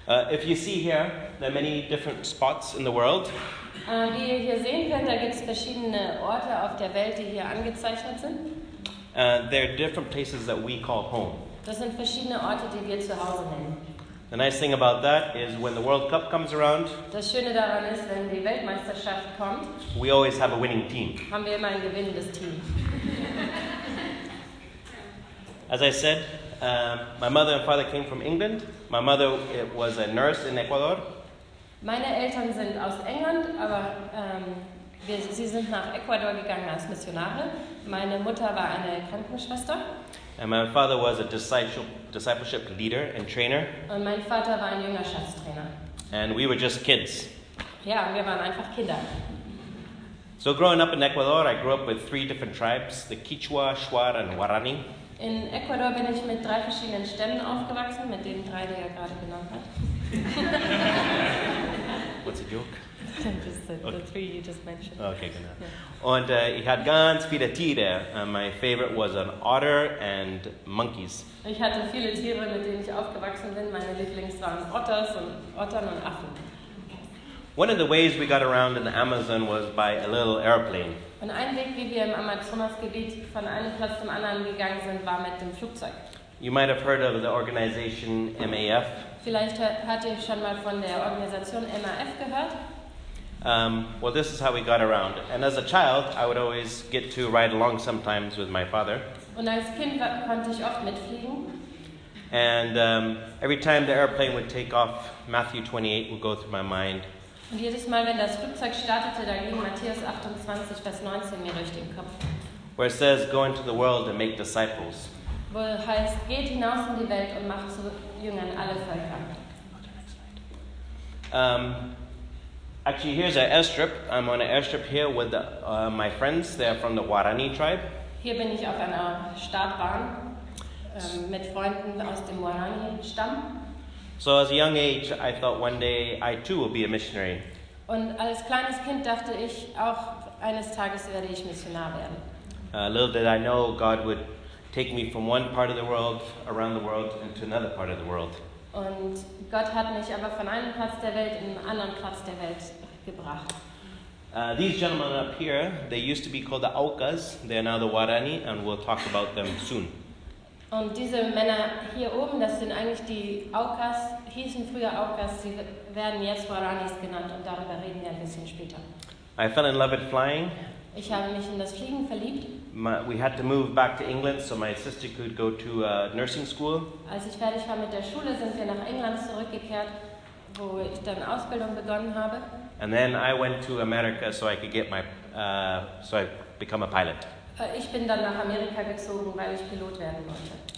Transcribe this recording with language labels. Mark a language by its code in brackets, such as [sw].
[en] If you see here, there are many different spots in the world. [de] Wie ihr hier sehen könnt, da gibt es verschiedene Orte auf der Welt, die hier angezeichnet sind. [en] There are different places that we call home. [de] Das sind verschiedene Orte, die wir zu Hause nennen. [en] The nice thing about that is when the World Cup comes around. [de] Das Schöne daran ist, wenn die Weltmeisterschaft kommt. [en] We always have a winning team. [de] Haben wir immer ein gewinnendes Team. [en] As I said. My mother and father came from England. My mother was a nurse in Ecuador. [de] Meine Eltern sind aus England, aber sie sind nach Ecuador gegangen als Missionare. Meine Mutter war eine Krankenschwester. [en] And my father was a discipleship leader and trainer. [de] Und mein Vater war ein Jüngerschaftstrainer. [en] And we were just kids. [de] Ja, wir waren einfach Kinder. [en] So growing up in Ecuador, I grew up with three different tribes, the Quechua, Shuar and Guarani. [de] In Ecuador bin ich mit drei verschiedenen Stämmen aufgewachsen, mit den drei, die er gerade genannt hat. [en] What's a joke? The three you just mentioned. [de] Okay, genau. Yeah. Und ich hatte ganz viele Tiere. [en] My favorite was an otter and monkeys. [de] Ich hatte viele Tiere, mit denen ich aufgewachsen bin. Meine Lieblings waren Ottern und Affen. [en] One of the ways we got around in the Amazon was by a little airplane. [de] Und ein Weg, wie wir im Amazonasgebiet von einem Platz zum anderen gegangen sind, war mit dem Flugzeug. [en] You might have heard of the organization MAF. [de] Vielleicht habt ihr schon mal von der Organisation MAF gehört. [en] Well, this is how we got around. And as a child, I would always get to ride along sometimes with my father. [de] Und als Kind konnte ich oft mitfliegen. [en] And every time the airplane would take off, Matthew 28 would go through my mind. [de] Und jedes Mal, wenn das Flugzeug startete, da ging Matthäus 28, Vers 19 mir durch den Kopf. [en] Where it says, go into the world and make disciples. [de] Wo es heißt, geht hinaus in die Welt und macht zu Jüngern alle Völker. [en] Actually, here's an airstrip. I'm on an airstrip here with my friends. They're from the Guarani tribe. [de] Hier bin ich auf einer Startbahn mit Freunden aus dem Guarani-Stamm. [en] So as a young age, I thought one day I too will be a missionary. [de] Und als kleines Kind dachte ich auch eines Tages werde ich Missionar werden. [en] Little did I know, God would take me from one part of the world, around the world, into another part of the world. [de] Und Gott hat mich aber von einem Platz der Welt in einen anderen Platz der Welt gebracht. [en] These gentlemen up here, they used to be called the Aucas. They are now the Guarani, and we'll talk about them soon. [de] Und diese Männer hier oben, das sind eigentlich die Aucas, hießen früher Aucas, sie werden jetzt Guaranis genannt und darüber reden wir ein bisschen später. [en] I fell in love with flying. [de] Ich habe mich in das Fliegen verliebt. [en] We had to move back to England, so my sister could go to a nursing school. [de] Als ich fertig war mit der Schule, sind wir nach England zurückgekehrt, wo ich dann Ausbildung begonnen habe. [en] And then I went to America so I could get my, so I become a pilot. [de] Ich bin dann nach Amerika gezogen, weil ich Pilot werden wollte.